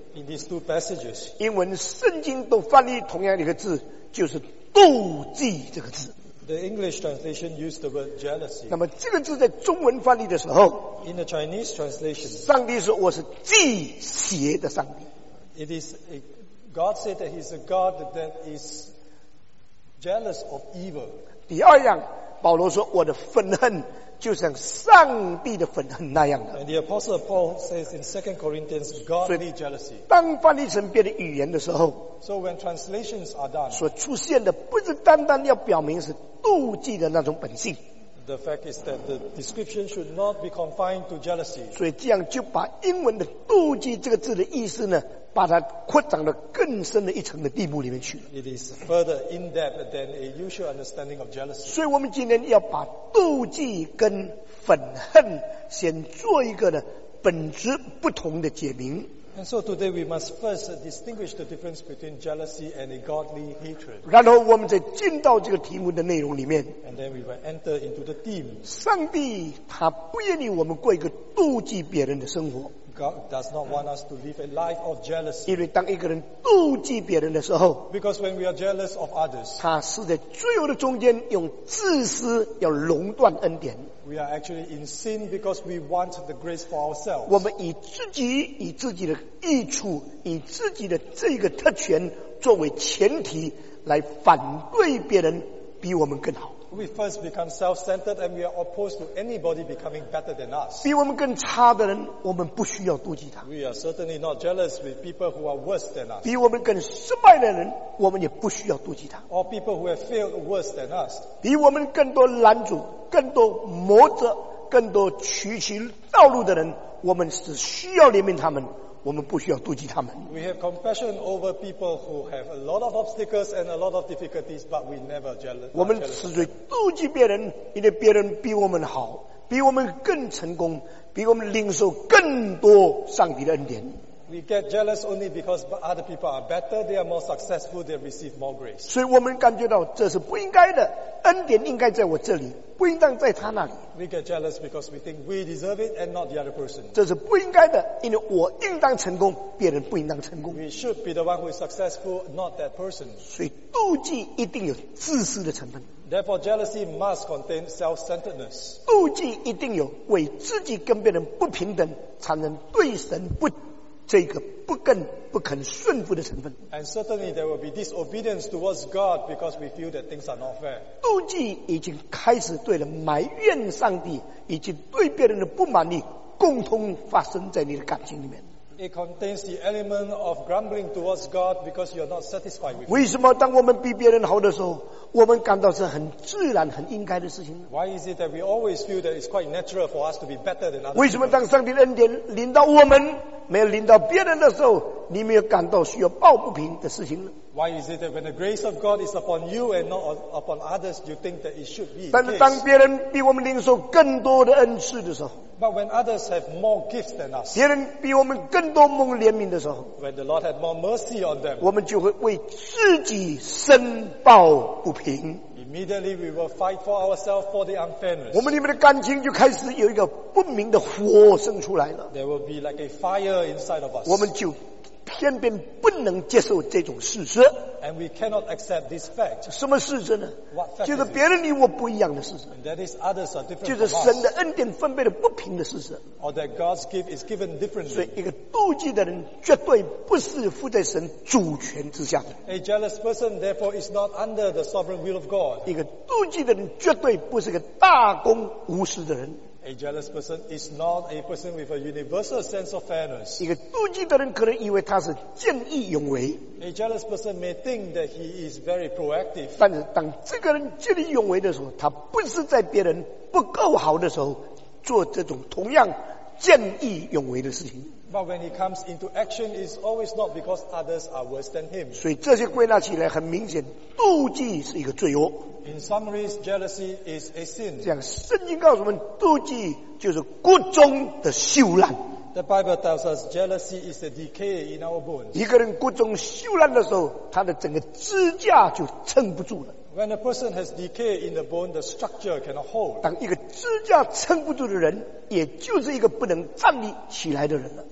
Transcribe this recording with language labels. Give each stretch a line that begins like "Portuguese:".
English: In these two passages,
Chinese: 英文圣经都翻译同样的一个字，就是妒忌这个字。
English: The English translation used the word jealousy.
Chinese: 那么这个字在中文翻译的时候，
English: In the Chinese translation,
Chinese: 上帝说我是忌邪的上帝。
English: It is a, God said that he's a God that is jealous of evil.
Chinese: 第二样，保罗说我的愤恨就像上帝的愤恨那样的。
English: And the Apostle Paul says in 2 Corinthians, godly jealousy.
Chinese: 当翻译成别的语言的时候
English: ，So when translations are done,
Chinese: 所出现的不是单单要表明是妒忌的那种本性。
English: The fact is that the description should not be confined to jealousy.
Chinese: 所以这样就把英文的妒忌这个字的意思呢，把它扩展到更深的一层的地步里面去了。
English: It is further in depth than a usual understanding of jealousy.
Chinese: 所以我们今天要把妒忌跟愤恨先做一个呢本质不同的解明。
English: And so today we must first distinguish the difference between jealousy and a godly hatred.
Chinese: 然后我们再进到这个题目的内容里面。
English: And then we will enter into the theme.
Chinese: 上帝他不愿意我们过一个妒忌别人的生活。
English: God does not want us to live a life of jealousy.
Chinese: 因为当一个人妒忌别人的时候
English: ，Because when we are jealous of others,
Chinese: 他是在罪恶的中间用自私要垄断恩典。
English: We are actually in sin because we want the grace for ourselves.
Chinese: 我们以自己、以自己的益处、以自己的这个特权作为前提来反对别人比我们更好。
English: We first become self-centered and we are opposed to anybody becoming better than us.
Chinese: 比我们更差的人我们不需要妒忌他。
English: We are certainly not jealous with people who are worse than us.
Chinese: 比我们更失败的人我们也不需要妒忌他。
English: Or people who have failed worse than us.
Chinese: 比我们更多拦阻、更多磨折、更多曲曲道路的人我们只需要怜悯他们。我们不需要妒忌他们。
English: We have compassion over people who have a lot of obstacles and a lot of difficulties, but we never jealous.
Chinese: 我们只会妒忌别人，因为别人比我们好，比我们更成功，比我们领受更多上帝的恩典。
English: We get jealous only because other people are better, they are more successful, they receive more grace.
Chinese: 所以我们感觉到这是不应该的，恩典应该在我这里，不应当在他那里。
English: We get jealous because we think we deserve it and not the other person.
Chinese: 这是不应该的，因为我应当成功，别人不应当成功。
English: We should be the one who is successful, not that person.
Chinese: 所以妒忌一定有自私的成分。
English: Therefore, jealousy must contain self-centeredness.
Chinese: 妒忌一定有为自己跟别人不平等，产生对神不这个不更不肯顺服的成分。
English: And certainly there will be disobedience towards God because we feel that things are not fair.
Chinese: 妒忌已经开始对了埋怨上帝以及对别人的不满意共同发生在你的感情里面。
English: It contains the element of grumbling towards God because you are not satisfied with it.
Chinese: 为什么当我们比别人好的时候我们感到是很自然很应该的事情？
English: Why is it that we always feel that it's quite natural for us to be better than others?
Chinese: 为什么当上帝的恩典临到我们没有临到别人的时候你没有感到需要抱不平的事情呢？
English: Why is it that when the grace of God is upon you and not upon others you think that it should be?
Chinese: 但是当别人比我们领受更多的恩赐的时候，
English: But when others have more gifts than us,
Chinese: 别人比我们更多蒙怜悯的时候，
English: when the Lord had more mercy on them,
Chinese: 我们就会为自己申报不平。
English: Immediately we will fight for ourselves for the unfairness.
Chinese: 我们里面的感情就开始有一个不明的火生出来了。
English: There will be like a fire inside of us.
Chinese: 我们就偏偏不能接受这种事实。
English: And we cannot accept this fact.
Chinese: 什么事实呢？
English: What fact
Chinese: 就是别人与我不一样的事实。
English: And that is others are different.
Chinese: 就是神的恩典分配的不平的事实。
English: Or that God's gift is given differently.
Chinese: 所以一个妒忌的人绝对不是附在神主权之下的。
English: A jealous person therefore is not under the sovereign will of God.
Chinese: 一个妒忌的人绝对不是个大公无私的人。
English: A jealous person is not a person with a universal sense of fairness.
Chinese: 一个妒忌的人可能以为他是见义勇为。
English: A jealous person may think that he is very proactive.
Chinese: 但是当这个人见义勇为的时候，他不是在别人不够好的时候做这种同样见义勇为的事情。
English: But when he comes into action, it's always not because others are worse than him.
Chinese: 所以这些归纳起来很明显，妒忌是一个罪恶。
English: In summary, jealousy is a sin.
Chinese: 这样，圣经告诉我们，妒忌就是骨中的朽烂。
English: The Bible tells us jealousy is a decay in our bones.
Chinese: 一个人骨中朽烂的时候，他的整个支架就撑不住了。
English: When a person has decay in the bone, the structure cannot hold.
Chinese: 当一个支架撑不住的人，也就是一个不能站立起来的人了。